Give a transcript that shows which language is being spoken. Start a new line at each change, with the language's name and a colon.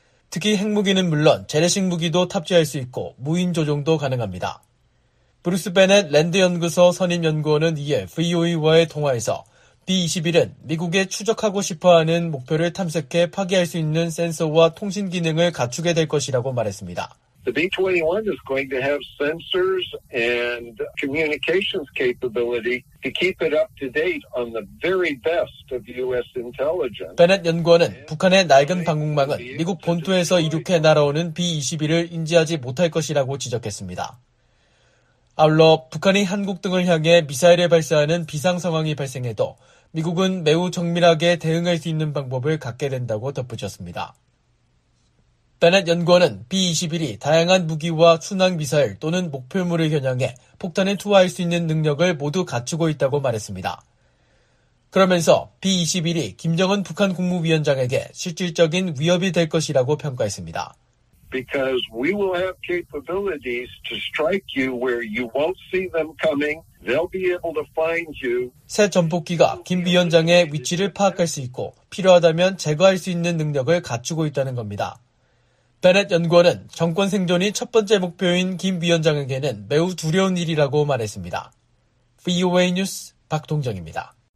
Korean: 특히 핵무기는 물론 재래식 무기도 탑재할 수 있고 무인 조종도 가능합니다. 브루스 베넷 랜드연구소 선임연구원은 이에 VOE와의 통화에서 B-21은 미국에 추적하고 싶어하는 목표를 탐색해 파괴할 수 있는 센서와 통신 기능을 갖추게 될 것이라고 말했습니다.
English: The B-21 is going to have sensors and communications capability to keep it up to date on the very best of U.S. intelligence.
Korean: 베넷 연구원은 북한의 낡은 방공망은 미국 본토에서 이륙해 날아오는 B-21을 인지하지 못할 것이라고 지적했습니다. 아울러 북한이 한국 등을 향해 미사일을 발사하는 비상 상황이 발생해도 미국은 매우 정밀하게 대응할 수 있는 방법을 갖게 된다고 덧붙였습니다. 베넷 연구원은 B-21이 다양한 무기와 순항 미사일 또는 목표물을 겨냥해 폭탄을 투하할 수 있는 능력을 모두 갖추고 있다고 말했습니다. 그러면서 B-21이 김정은 북한 국무위원장에게 실질적인 위협이 될 것이라고 평가했습니다.
English: Because we will have capabilities to strike you where you won't see them coming. They'll be able to find you.
Korean: 새 전폭기가 김 위원장의 위치를 파악할 수 있고 필요하다면 제거할 수 있는 능력을 갖추고 있다는 겁니다. 베넷 연구원은 정권 생존이 첫 번째 목표인 김 위원장에게는 매우 두려운 일이라고 말했습니다. VOA 뉴스 박동정입니다.